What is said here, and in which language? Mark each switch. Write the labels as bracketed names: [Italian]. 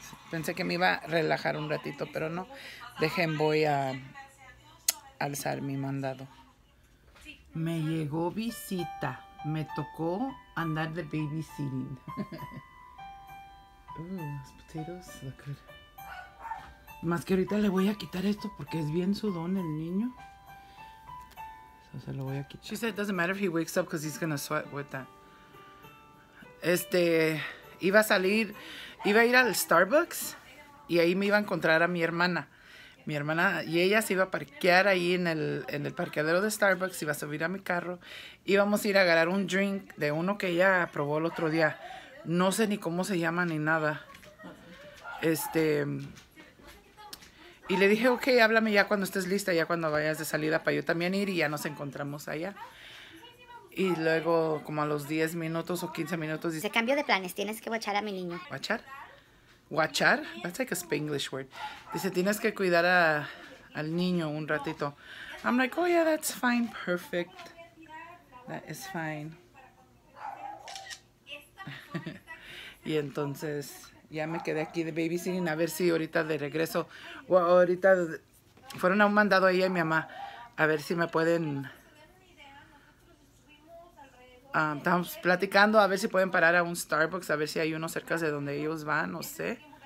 [Spanish] Pensé que me iba a relajar un ratito, pero no. Dejen, voy a alzar mi mandado. Me llegó visita. Me tocó andar de babysitting. Los [English] potatoes look good. [Spanish] Más que ahorita le voy a quitar esto porque es bien sudón el niño. So se lo voy a quitar. [English] She said it doesn't matter if he wakes up because he's going to sweat with that. [Spanish] Este, iba a salir, iba a ir al Starbucks y ahí me iba a encontrar a mi hermana. Mi hermana, y ella se iba a parquear ahí en el parqueadero de Starbucks, iba a subir a mi carro. Íbamos a ir a agarrar un drink de uno que ella probó el otro día. No sé ni cómo se llama ni nada. Este, y le dije, okay, háblame ya cuando estés lista, ya cuando vayas de salida para yo también ir, y ya nos encontramos allá. Y luego, como a los 10 minutos o 15 minutos, dice, se cambió de planes, tienes que watchar a mi niño. ¿Watchar? ¿Watchar? [English] That's like a Spanglish word. [Spanish] Dice, tienes que cuidar a, al niño un ratito. [English] I'm like, oh yeah, that's fine, perfect. That is fine. [Spanish] Y entonces, ya me quedé aquí de babysitting, a ver si ahorita de regreso, o ahorita, fueron a un mandado ella y mi mamá, a ver si me pueden, estamos platicando, a ver si pueden parar a un Starbucks, a ver si hay uno cerca de donde ellos van, no sé.